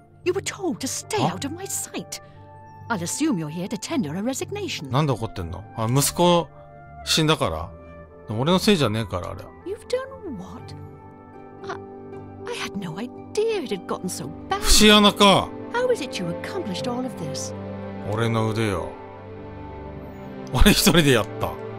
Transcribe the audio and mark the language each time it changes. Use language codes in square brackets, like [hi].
[en] You were told to stay out of my sight. I'll assume you're here to tender a resignation. [ja] 何で怒ってんの？あ、息子死んだから。俺のせいじゃねえから、あれ。 [en] You've done what? I had no idea it had gotten so bad. [ja] 節穴か。 [en] How is it you accomplished all of this? [ja] 俺の腕よ。俺一人でやった。